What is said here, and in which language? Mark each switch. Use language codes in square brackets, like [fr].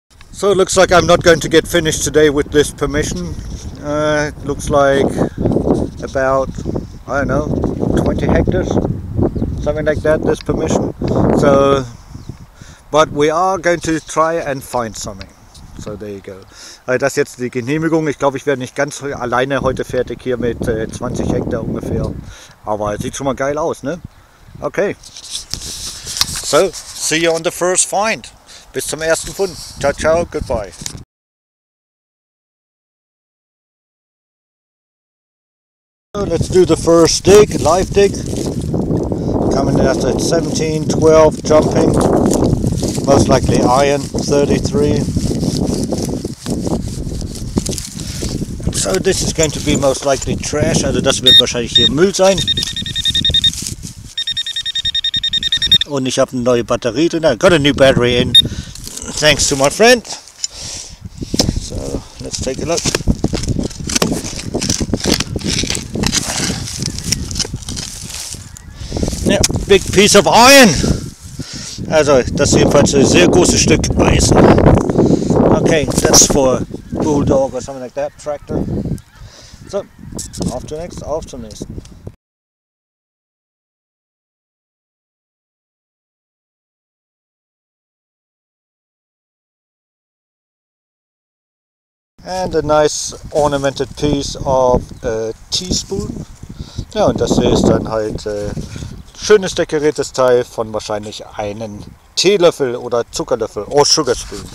[en] So, it looks like I'm not going to get finished today with this permission. It looks like about, I don't know, 20 hectares. Something like that, this permission. So, but we are going to try and find something. So there you go. [de] Das ist jetzt die Genehmigung. Ich glaube, ich werde nicht ganz alleine heute fertig hier mit 20 Hektar ungefähr. Aber sieht schon mal geil aus, ne? Okay. [en] So, see you on the first find. [de] Bis zum ersten Fund. Ciao, ciao, [en] goodbye. So, let's do the first dig, live dig. Coming at 17, 12 jumping, most likely iron, 33. So this is going to be most likely trash, [de] also das wird wahrscheinlich hier Müll sein. Und ich habe eine neue Batterie drin, [en] I got a new battery in, thanks to my friend. So let's take a look. Yeah, big piece of iron. [de] Also, das ist jedenfalls ein sehr großes Stück Eisen. [en] Okay, that's for Bulldog or something like that, tractor. So, off to next, off to next. And a nice ornamented piece of a teaspoon. [de] Ja, und das ist dann halt schönes dekoriertes Teil von wahrscheinlich einen Teelöffel oder Zuckerlöffel [en] or sugar spoon.